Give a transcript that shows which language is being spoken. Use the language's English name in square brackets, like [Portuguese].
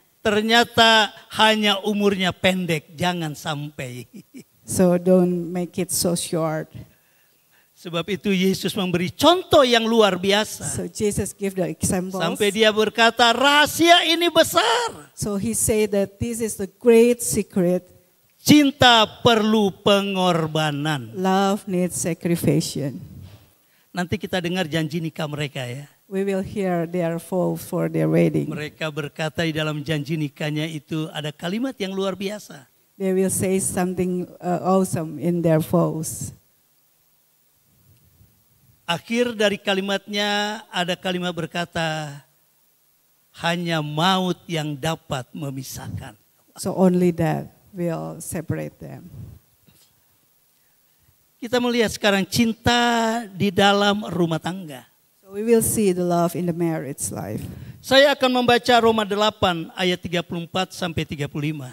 [Indonesian] Ternyata hanya umurnya pendek, jangan sampai. [English] So don't make it so short. [Indonesian] Sebab itu Yesus memberi contoh yang luar biasa. [English] So Jesus gave the examples. [Indonesian] Sampai dia berkata rahasia ini besar. [English] So he said that this is the great secret. [Indonesian] Cinta perlu pengorbanan. [English] Love needs sacrifice. [Indonesian] Nanti kita dengar janji nikah mereka ya. [English] We will hear their vow for their wedding. [Indonesian] Mereka berkata di dalam janji nikahnya itu ada kalimat yang luar biasa. [English] They will say something awesome in their vows. [Indonesian] Akhir dari kalimatnya ada kalimat berkata hanya maut yang dapat memisahkan. [English] So only death will separate them. [Indonesian] Kita melihat sekarang cinta di dalam rumah tangga. [English] So we will see the love in the marriage life. [Indonesian] Saya akan membaca Roma 8 ayat 34 sampai 35.